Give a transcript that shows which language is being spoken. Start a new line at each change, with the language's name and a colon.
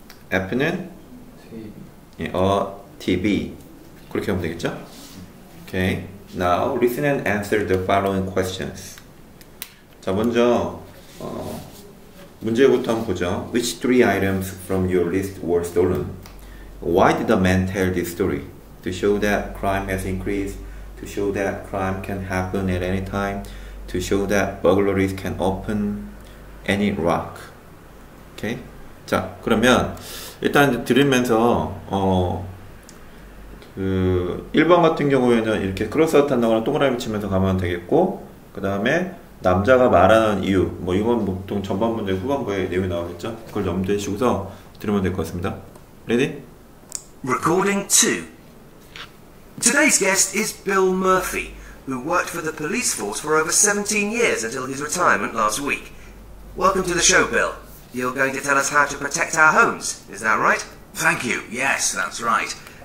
Korean: F는 예,
English: a TV.
Korean: 그렇게 하면 되겠죠? 오케이.
English: Now, listen and answer the following questions.
Korean: 자, 먼저, 문제부터 한번 보죠.
English: Which three items from your list were stolen? Why did the man tell this story? To show that crime has increased, to show that crime can happen at any time, to show that burglaries can open any rock. Okay?
Korean: 자, 그러면 일단 들으면서 그 1번 같은 경우에는 이렇게 크로스아웃 한다거나 동그라미 치면서 가면 되겠고, 그 다음에 남자가 말하는 이유, 뭐 이건 보통 전반 문제 후반부에 내용이 나오겠죠? 그걸 염두에 두시고서 들으면 될것 같습니다.
English: Ready? Recording 2. Today's guest is Bill Murphy, who worked for the police force for over 17 years until his retirement last week. Welcome to the show, Bill. You're going to tell us how to protect our homes, is that right? Thank you. Yes, that's right.